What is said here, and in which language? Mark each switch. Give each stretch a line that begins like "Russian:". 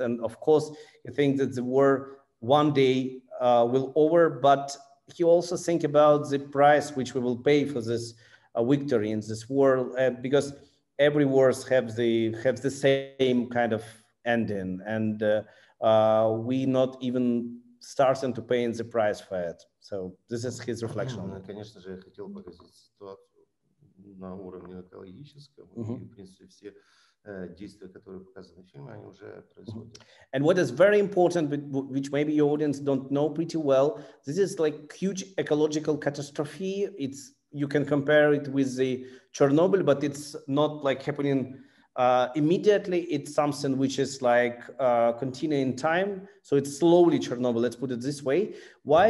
English: And of course, he thinks that the war one day will over, but he also think about the price which we will pay for this victory in this war, because every wars have the same kind of ending, and we not even starting to pay in the price for it. So this is his reflection.
Russian: Ну, конечно же, я хотел показать ситуацию на уровне экологическом. И, в принципе, все действия, которые показаны в фильме, они уже происходят.
English: And what is very important, which maybe your audience don't know pretty well, this is like huge ecological catastrophe. It's, you can compare it with the Chernobyl, but it's not like happening immediately. It's something which is like continuing time, so it's slowly Chernobyl, let's put it this way. Why?